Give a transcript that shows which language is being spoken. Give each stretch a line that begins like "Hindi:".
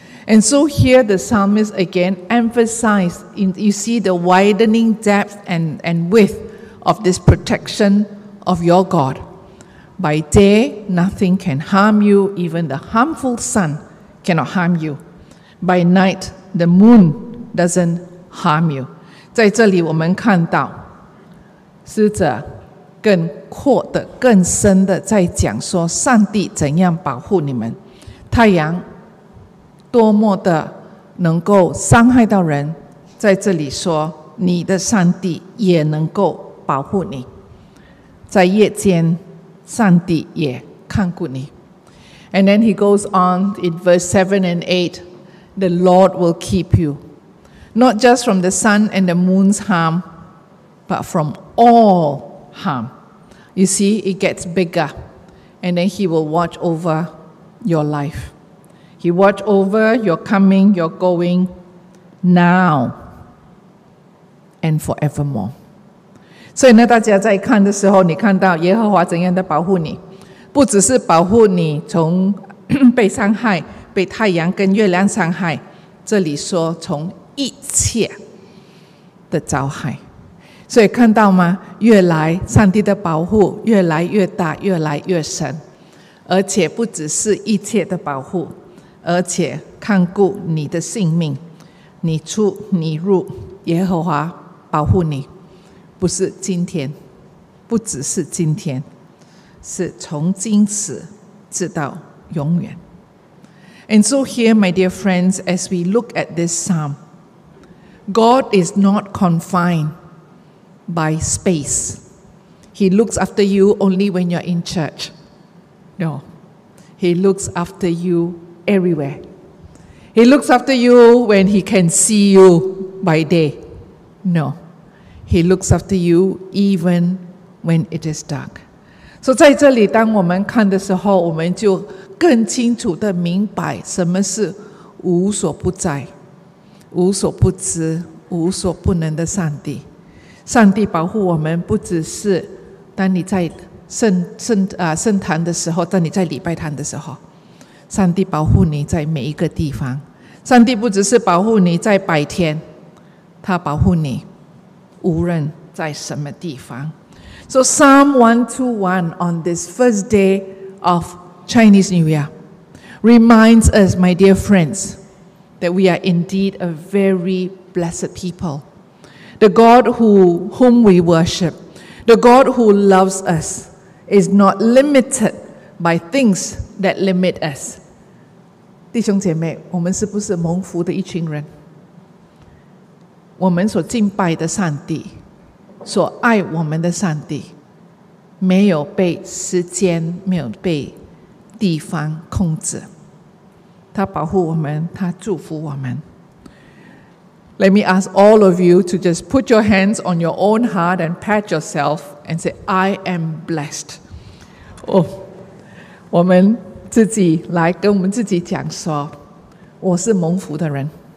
English: And so here the psalmist again emphasized, in, you see the widening depth and width of this protection of your God. By day, nothing can harm you, even the harmful sun cannot harm you. By night, the moon doesn't harm you.
Chinese: 在这里我们看到狮子更阔的更深的在讲说上帝怎样保护你们，太阳多么的能够伤害到人，在这里说你的上帝也能够保护你，在夜间上帝也看顾你。
English: And then he goes on in verse 7 and 8, the Lord will keep you not just from the sun and the moon's harm but from all harm. You see, it gets bigger. And then he will watch over your life. He watch over your coming, your going, now and forevermore.
Chinese: 所以呢，大家在看的时候，你看到耶和华怎样的保护你，不只是保护你从被伤害，被太阳跟月亮伤害，这里说从一切的灾害。所以看到吗？越来上帝的保护越来越大，越来越深，而且不只是一切的保护，而且看顾你的性命，你出你入，耶和华保护你，不是今天，不只是今天，是从今时直到永远。
English: And so here, my dear friends, as we look at this psalm, God is not confinedby space. He looks after you only when you're in church. No. He looks after you everywhere. He looks after you when he can see you by day. No. He looks after you even when it is dark.
Chinese: So 在这里当我们看的时候，我们就更清楚地明白什么是无所不在、无所不知、无所不能的上帝。上帝保护我们不只是当你在 圣坛的时候，当你在礼拜堂的时候，上帝保护你在每一个地方。上帝不只是保护你在白天，他保护你无论在什么地方。
English: So Psalm 121 on this first day of Chinese New Year reminds us, my dear friends, that we are indeed a very blessed peopleThe God whom we worship, the God who loves us, is not limited by things that limit us.
Chinese: 弟兄姐妹，我们是不是蒙福的一群人？我们所敬拜的上帝，所爱我们的上帝，没有被时间，没有被地方控制。他保护我们，他祝福我们。
English: Let me ask all of you to just put your hands on your own heart and pat yourself and say, I am blessed.
Chinese: Oh, 我们自己来跟我们自己讲说，我是蒙福的人。